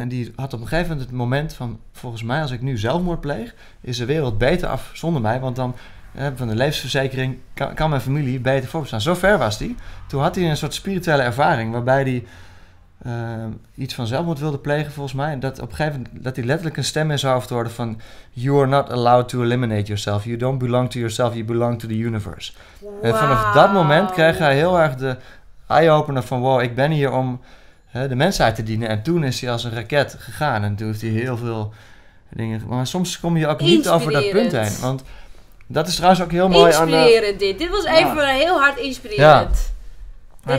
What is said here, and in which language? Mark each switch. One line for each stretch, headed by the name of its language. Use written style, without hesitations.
Dutch: En die had op een gegeven moment het moment van... Volgens mij, als ik nu zelfmoord pleeg... is de wereld beter af zonder mij. Want dan van de levensverzekering... kan mijn familie beter voorbestaan. Zo ver was die. Toen had hij een soort spirituele ervaring... waarbij hij iets van zelfmoord wilde plegen, volgens mij. En dat op een gegeven moment... dat hij letterlijk een stem in zijn hoofd hoorde van...
English: You are not allowed to eliminate yourself. You don't belong to yourself. You belong to the universe. Wow.
Dutch: En vanaf dat moment kreeg hij heel erg de eye-opener van... wow, ik ben hier om... de mensheid te dienen. En toen is hij als een raket gegaan. En toen heeft hij heel veel dingen... Maar soms kom je ook niet over dat punt heen. Want dat is trouwens ook heel mooi... Inspirerend dit. Dit was even heel hard inspirerend. Ja. Deze